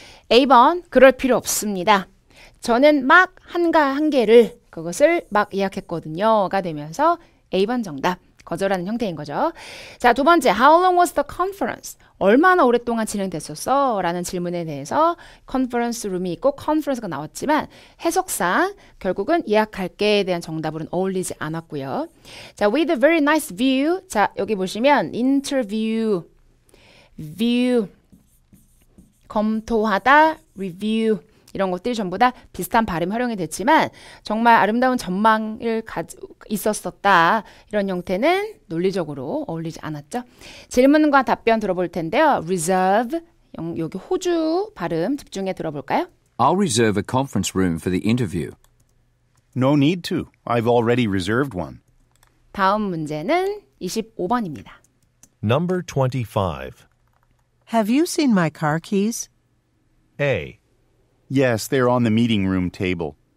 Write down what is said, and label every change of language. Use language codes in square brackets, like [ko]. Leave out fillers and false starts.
[ko] A번, 그럴 필요 없습니다. 저는 막 한가 한 개를 그것을 막 예약했거든요. 가 되면서 A번 정답. 거절하는 형태인 거죠. 자, 두 번째, [en] How long was the conference? [ko] 얼마나 오랫동안 진행됐었어? 라는 질문에 대해서 conference room이 있고 conference가 나왔지만 해석상 결국은 예약할게에 대한 정답으로는 어울리지 않았고요. [en] 자, with a very nice view. [ko] 자, 여기 보시면 interview, view, 검토하다, review 이런 것들이 전부 다 비슷한 발음 활용이 됐지만 정말 아름다운 전망을 있었었다 이런 형태는 논리적으로 어울리지 않았죠. 질문과 답변 들어볼 텐데요. Reserve, 여기 호주 발음 집중해 들어볼까요? [en] I'll reserve a conference room for the interview. No need to. I've already reserved one. [ko] 다음 문제는 25번입니다. [en] Number 25. Have you seen my car keys? A. Yes, they're on the meeting room table.